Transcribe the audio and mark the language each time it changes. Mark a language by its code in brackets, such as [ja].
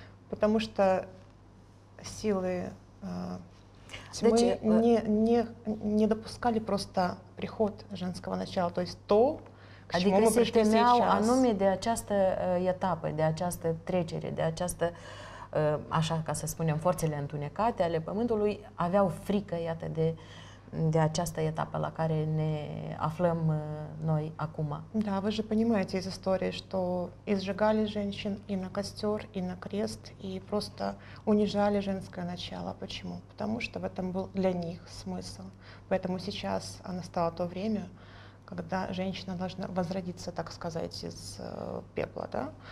[ru] Потому что силы тьмы не допускали просто приход женского начала, то есть то, к чему мы пришли сейчас. [ro] Anume de această etapă, de această trecere, de această, așa ca să spunem, forțele întunecate ale Pământului, aveau frică, iată, de această etapă la care ne aflăm noi acum. Da, vă [ru] же понимаете из истории, что изжигали женщин и на костер, и на крест, и просто унижали женское начало. Почему? Потому что в этом был для них смысл. Поэтому сейчас настало то время, когда женщина должна возродиться, так сказать, из пепла, да?